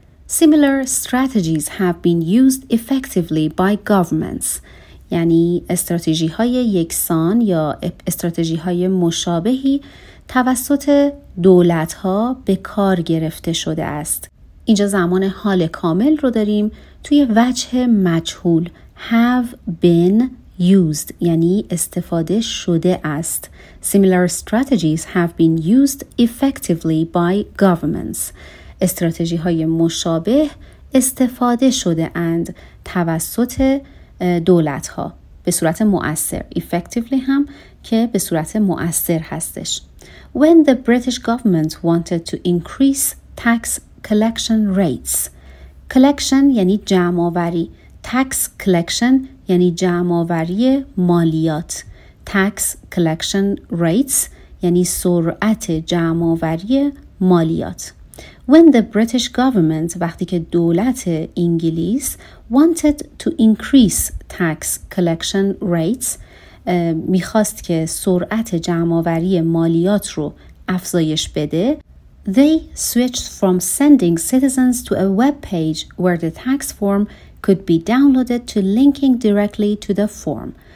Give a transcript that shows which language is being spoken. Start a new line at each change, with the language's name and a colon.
English: Similar strategies have been used effectively by governments.
Persian: یعنی استراتژی‌های یکسان یا استراتژی‌های مشابهی توسط دولت‌ها به کار گرفته شده است. اینجا زمان حال کامل رو داریم توی وجه مجهول have been used یعنی استفاده شده است.
English: Similar strategies have been used effectively by governments.
Persian: استراتژی های مشابه استفاده شده اند توسط دولت ها به صورت مؤثر effectively هم که به صورت مؤثر هستش.
English: When the British government wanted to increase tax collection rates.
Persian: Collection یعنی جمع آوری. Tax collection یعنی جمع آوری مالیات. Tax collection rates یعنی سرعت جمع آوری مالیات.
English: When the British government,
Persian: وقتی که دولت انگلیس
English: wanted to increase tax collection rates,
Persian: میخواست که سرعت جمع‌آوری مالیات رو افزایش بده,
English: they switched from sending citizens to a web page where the tax form could be downloaded to linking directly to the form.